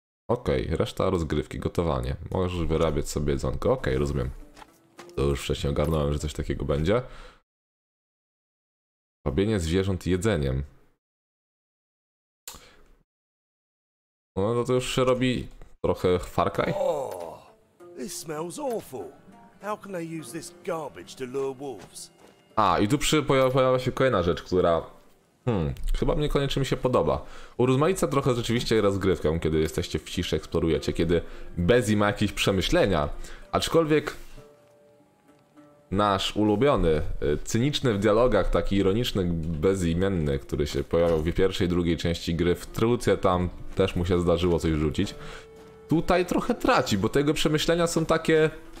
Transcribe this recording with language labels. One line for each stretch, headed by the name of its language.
Polish: Okej, okay, reszta rozgrywki, gotowanie. Możesz wyrabiać sobie jedzonko. Okej, okay, rozumiem. To już wcześniej ogarnąłem, że coś takiego będzie. Robienie zwierząt jedzeniem. No to już się robi trochę Far Cry.
English: This smells awful. How can they use this garbage to lure wolves?
Polish: A, i tu pojawia się kolejna rzecz, która... chyba mnie koniecznie mi się podoba. Urozmaica trochę rzeczywiście rozgrywkę, kiedy jesteście w ciszy, eksplorujecie, kiedy Bezzy ma jakieś przemyślenia. Aczkolwiek... nasz ulubiony, cyniczny w dialogach, taki ironiczny, bezimienny, który się pojawiał w pierwszej, drugiej części gry, w truce tam też mu się zdarzyło coś rzucić, tutaj trochę traci, bo te jego przemyślenia są takie...